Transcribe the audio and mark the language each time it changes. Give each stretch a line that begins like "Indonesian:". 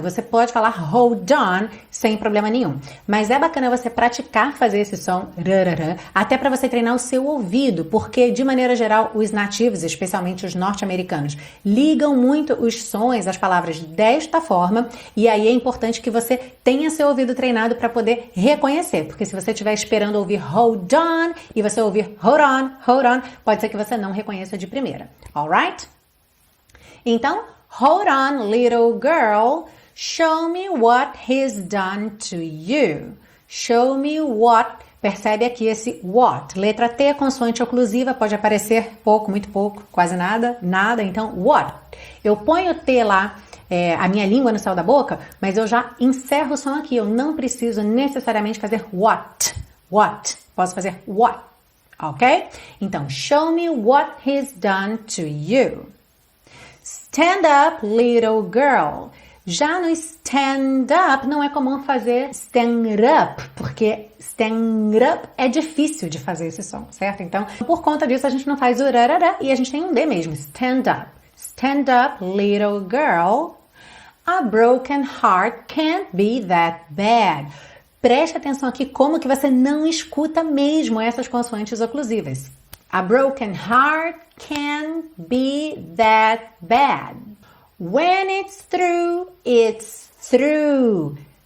Portuguese: Você pode falar hold on sem problema nenhum. Mas é bacana você praticar fazer esse som, rarara, até para você treinar o seu ouvido, porque de maneira geral os nativos, especialmente os norte-americanos, ligam muito os sons, as palavras desta forma, e aí é importante que você tenha seu ouvido treinado para poder reconhecer, porque se você estiver esperando ouvir hold on e você ouvir hold on, hold on, hold on, pode ser que você não reconheça de primeira, alright?
English: Então, hold on, little girl, show me what he's done to you.
Portuguese: Show me what, percebe aqui esse what, letra T, consoante oclusiva, pode aparecer pouco, muito pouco, quase nada, nada, então what. Eu ponho T lá, a minha língua no céu da boca, mas eu já encerro o som aqui, eu não preciso necessariamente fazer what, what, posso fazer what. Ok?
English: Então, show me what he's done to you. Stand up, little girl.
Portuguese: Já no stand up, não é comum fazer stand up, porque stand up é difícil de fazer esse som, certo? Então, por conta disso, a gente não faz o rarará e a gente tem um D mesmo.
English: Stand up. Stand up, little girl. A broken heart can't be that bad.
Portuguese: Preste atenção aqui como que você não escuta mesmo essas consoantes oclusivas.
English: A broken heart can be that bad. When it's through, through.